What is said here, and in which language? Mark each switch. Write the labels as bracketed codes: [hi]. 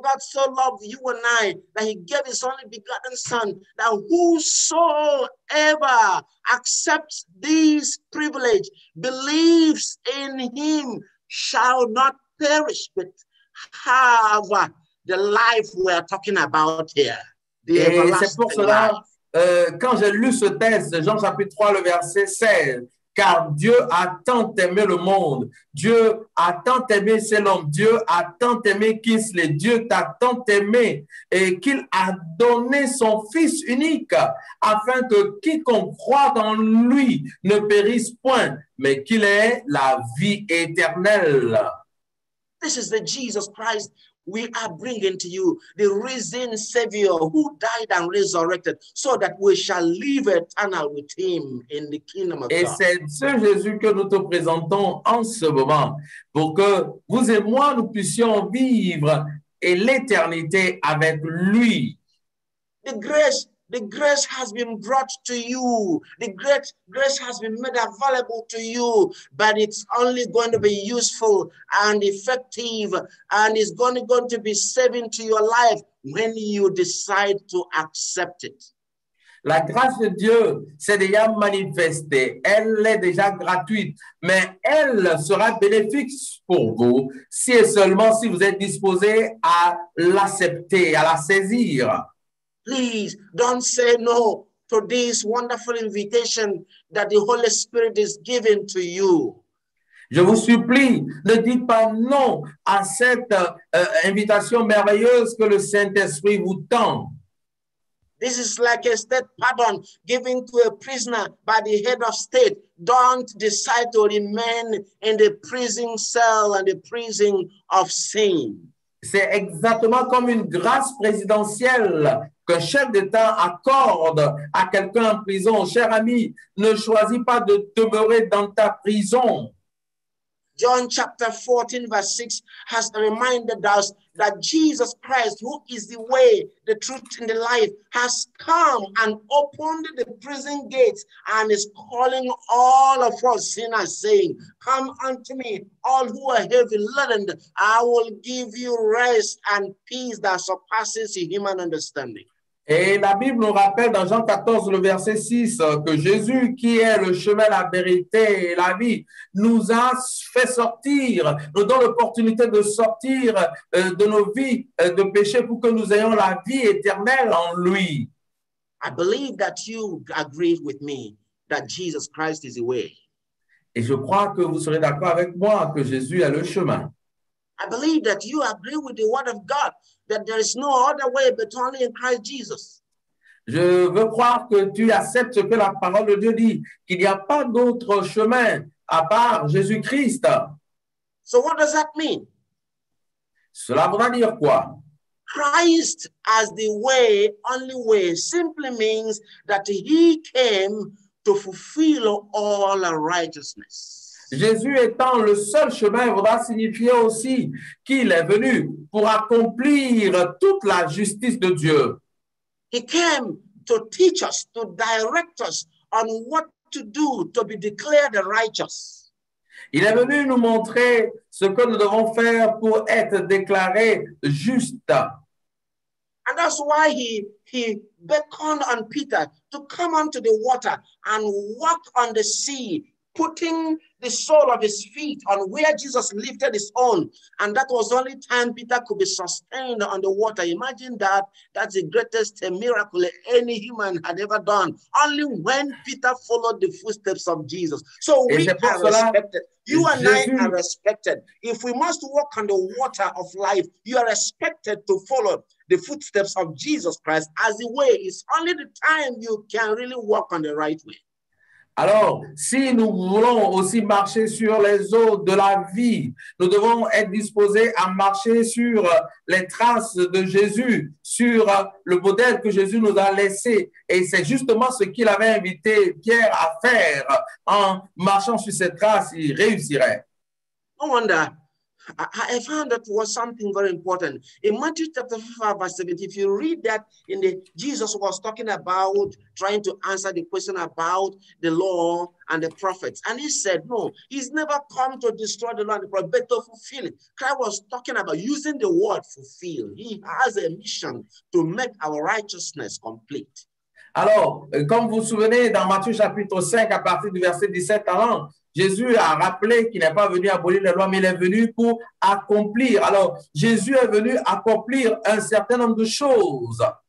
[en] For God so loved you and I, that he gave his only begotten son, that whosoever accepts this privilege, believes in him, shall not perish, but have the life we are talking about here. [fr] Et c'est pour cela, quand j'ai lu ce texte, Jean chapitre 3, le verset 16, car Dieu a tant aimé le monde, Dieu a tant aimé Selom, Dieu a tant aimé Kingsley, Dieu t'a tant aimé et qu'il a donné son Fils unique afin que quiconque croit en lui ne périsse point, mais qu'il ait la vie éternelle. [en] This is the Jesus Christ we are bringing to you, the risen Savior who died and resurrected, so that we shall live eternal with him in the kingdom of God. [fr] Et c'est ce Jésus que nous te présentons en ce moment, pour que vous et moi nous puissions vivre et l'éternité avec lui. [en] The grace has been brought to you. The great grace has been made available to you, but it's only going to be useful and effective, and it's going to be saving to your life when you decide to accept it. [fr] La grâce de Dieu s'est déjà manifestée. Elle est déjà gratuite, mais elle sera bénéfique pour vous si et seulement si vous êtes disposé à l'accepter, à la saisir. [en] Please don't say no to this wonderful invitation that the Holy Spirit is giving to you. [fr] Je vous supplie, ne dites pas non à cette invitation merveilleuse que le Saint-Esprit vous tend. [en] This is like a state pardon given to a prisoner by the head of state. Don't decide to remain in the prison cell and the prison of sin. [fr] C'est exactement comme une grâce présidentielle qu'un chef d'État accorde à quelqu'un en prison. Cher ami, ne choisis pas de demeurer dans ta prison. [en] John chapter 14, verse 6 has reminded us that Jesus Christ, who is the way, the truth, and the life, has come and opened the prison gates and is calling all of us sinners, saying, come unto me, all who are heavy laden, I will give you rest and peace that surpasses human understanding. [fr] Et la Bible nous rappelle dans Jean 14, le verset 6, que Jésus, qui est le chemin, la vérité et la vie, nous a fait sortir, nous donne l'opportunité de sortir de nos vies de péché pour que nous ayons la vie éternelle en lui. [en] I believe that you agree with me that Jesus Christ is the way. [fr] Et je crois que vous serez d'accord avec moi que Jésus est le chemin. [en] I believe that you agree with the word of God that there is no other way but only in Christ Jesus. [fr] Je veux croire que tu acceptes ce que la parole de Dieu dit, qu'il n'y a pas d'autre chemin à part Jésus-Christ. [en] So what does that mean? [fr] Cela voudrait dire quoi? [en] Christ as the way, only way, simply means that he came to fulfill all righteousness. [fr] Jésus étant le seul chemin va signifier aussi qu'il est venu pour accomplir toute la justice de Dieu. [en] He came to teach us, to direct us on what to do to be declared righteous. [fr] Il est venu nous montrer ce que nous devons faire pour être déclarés justes. [en] And that's why he beckoned on Peter to come onto the water and walk on the sea, putting the sole of his feet on where Jesus lifted his own. And that was the only time Peter could be sustained on the water. Imagine that. That's the greatest miracle any human had ever done. Only when Peter followed the footsteps of Jesus. So we are respected. You and I are respected. If we must walk on the water of life, you are expected to follow the footsteps of Jesus Christ as the way. It's only the time you can really walk on the right way. [fr] Alors, si nous voulons aussi marcher sur les eaux de la vie, nous devons être disposés à marcher sur les traces de Jésus, sur le modèle que Jésus nous a laissé. Et c'est justement ce qu'il avait invité Pierre à faire. En marchant sur ces traces, il réussirait. [en] No wonder. I found that was something very important. In Matthew chapter 5, verse 17, if you read that, in the Jesus was talking about trying to answer the question about the law and the prophets. And he said, no, he's never come to destroy the law and the prophets, but to fulfill it. Christ was talking about using the word fulfill. He has a mission to make our righteousness complete. [fr] Alors, comme vous vous souvenez, dans Matthieu chapitre 5, à partir du verset 17 à 1, Jésus a rappelé qu'il n'est pas venu abolir la loi, mais il est venu pour accomplir. Alors, Jésus est venu accomplir un certain nombre de choses.